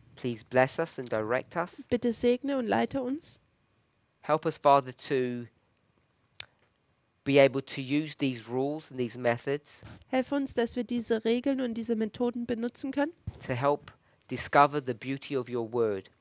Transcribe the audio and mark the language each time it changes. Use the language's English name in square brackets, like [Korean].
[English] Please bless us and direct us. [German] Bitte segne und leite uns. [English] Help us, Father, to be able to use these rules and these methods. [German] Helf uns, dass wir diese Regeln und diese Methoden benutzen können. [English] To help discover the beauty of your word.